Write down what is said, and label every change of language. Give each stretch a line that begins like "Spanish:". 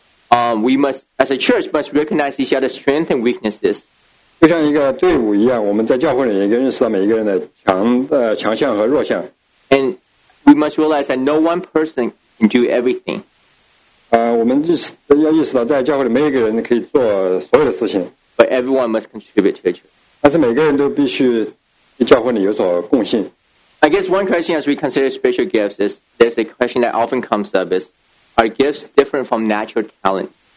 English: We must, as a church, must recognize each other's strengths and weaknesses.
Chinese: 就像一个队伍一样，我们在教会里也认识到每一个人的强项和弱项。
English: And we must realize that no one person can do everything.
Chinese: 我们就是要意识到，在教会里每一个人可以做所有的事情。
English: But everyone must contribute to the church.
Chinese: 但是每个人都必须在教会里有所贡献。
English: I guess one question as we consider spiritual gifts is, there's a question that often comes up is, are gifts different from natural talents?